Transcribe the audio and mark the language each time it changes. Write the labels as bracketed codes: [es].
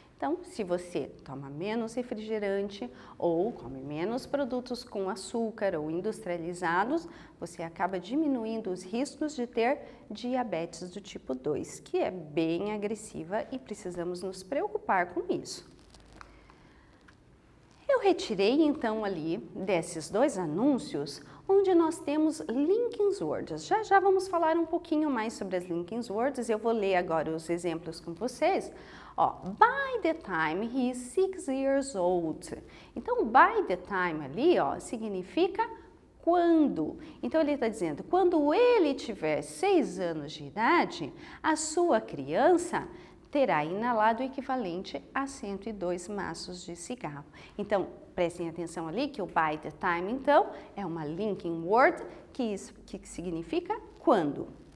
[pt] Então, se você toma menos refrigerante ou come menos produtos com açúcar ou industrializados, você acaba diminuindo os riscos de ter diabetes do tipo 2, que é bem agressiva e precisamos nos preocupar com isso. Eu retirei então ali desses dois anúncios onde nós temos linking words. Já vamos falar um pouquinho mais sobre as linking words. Eu vou ler agora os exemplos com vocês. [en] Ó, by the time he is 6 years old. [pt] Então, [en] by the time [pt] ali, ó, significa quando. Então, ele está dizendo, quando ele tiver 6 anos de idade, a sua criança terá inalado o equivalente a 102 maços de cigarro. Então, prestem atenção ali que o [en] by the time, [pt] então, é uma linking word que significa quando.